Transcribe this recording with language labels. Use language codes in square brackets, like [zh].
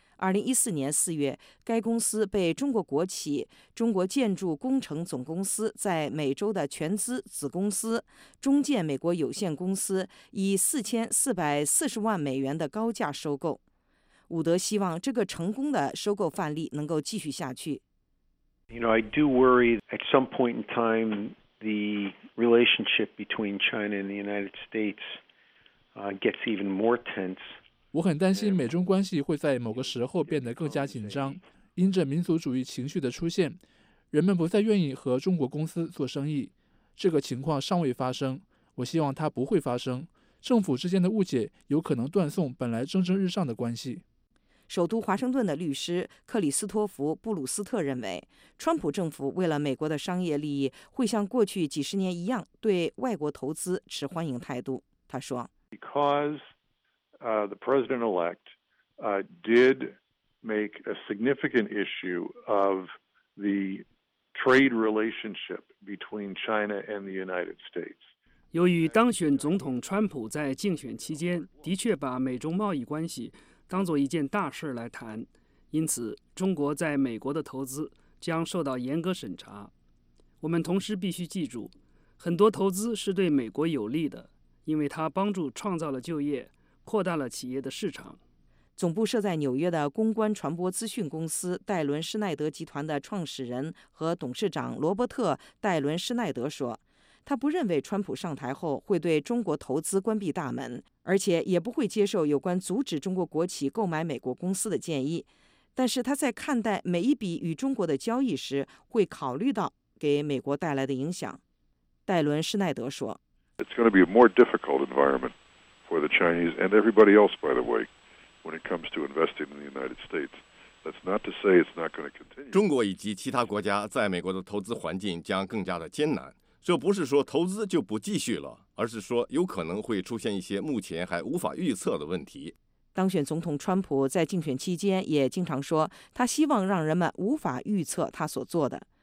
[zh] 2014年4月，该公司被中国国企中国建筑工程总公司在美洲的全资子公司中建美国有限公司以$44,400,000的高价收购。伍德希望这个成功的收购范例能够继续下去。 [en] You know, I do worry at some point in time the relationship between China and the United States gets even more tense. [zh] 我很担心美中关系会在某个时候变得更加紧张，因着民族主义情绪的出现，人们不再愿意和中国公司做生意。这个情况尚未发生，我希望它不会发生。政府之间的误解有可能断送本来蒸蒸日上的关系。首都华盛顿的律师克里斯托弗·布鲁斯特认为，川普政府为了美国的商业利益，会像过去几十年一样对外国投资持欢迎态度。他说 [en] ：“Because the president-elect did make a significant issue of the trade relationship between China and the United States.” [zh] 由于当选总统川普在竞选期间的确把美中贸易关系当作一件大事来谈，因此中国在美国的投资将受到严格审查。我们同时必须记住，很多投资是对美国有利的，因为它帮助创造了就业，扩大了企业的市场。总部设在纽约的公关传播资讯公司戴伦·施奈德集团的创始人和董事长罗伯特·戴伦·施奈德说，他不认为川普上台后会对中国投资关闭大门，而且也不会接受有关阻止中国国企购买美国公司的建议。但是他在看待每一笔与中国的交易时，会考虑到给美国带来的影响。戴伦·施奈德说 [en] ：“It's going to be a more difficult environment for the Chinese and everybody else, by the way, when it comes to investing in the United States.” That's not to say it's not going to continue. [zh] 中国以及其他国家在美国的投资环境将更加的艰难。这不是说投资就不继续了，而是说有可能会出现一些目前还无法预测的问题。当选总统川普在竞选期间也经常说，他希望让人们无法预测他所做的。